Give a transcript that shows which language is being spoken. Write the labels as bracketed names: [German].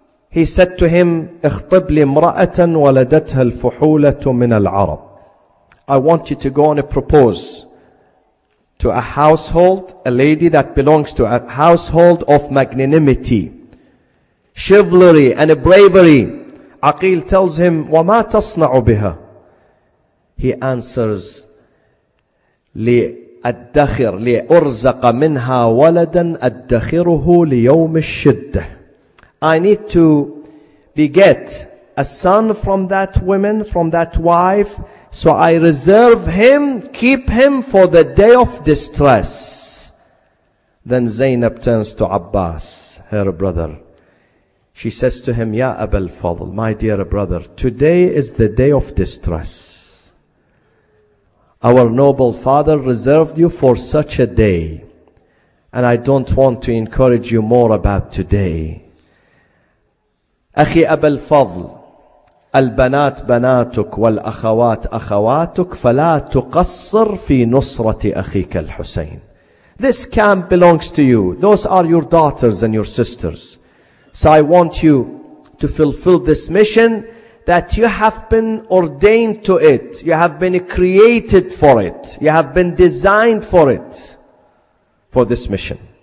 [English] He said to him, [Arabic] اخطب لي امرأة ولدتها الفحولة من العرب. [English] I want you to go and propose to a household, a lady that belongs to a household of magnanimity, chivalry and bravery. Aqil tells him, [Arabic] وَمَا تَصْنَعُ بِهَا? [English] He answers, [Arabic] لِأَدَّخِرْ لِأُرْزَقَ مِنْهَا وَلَدًا أَدَّخِرُهُ لِيَوْمِ الشِّدَّةِ. [English] I need to beget a son from that woman, from that wife, so I reserve him, keep him for the day of distress. Then Zainab turns to Abbas, her brother. She says to him, Ya Aba al-Fadl, my dear brother, today is the day of distress. Our noble father reserved you for such a day. And I don't want to encourage you more about today. [Arabic] Akhi Aba al-Fadl, البنات بناتك والأخوات أخواتك فلا تقصر في نصرة أخيك الحسين. [English] This camp belongs to you. Those are your daughters and your sisters. So I want you to fulfill this mission that you have been ordained to it. You have been created for it. You have been designed for it. For this mission.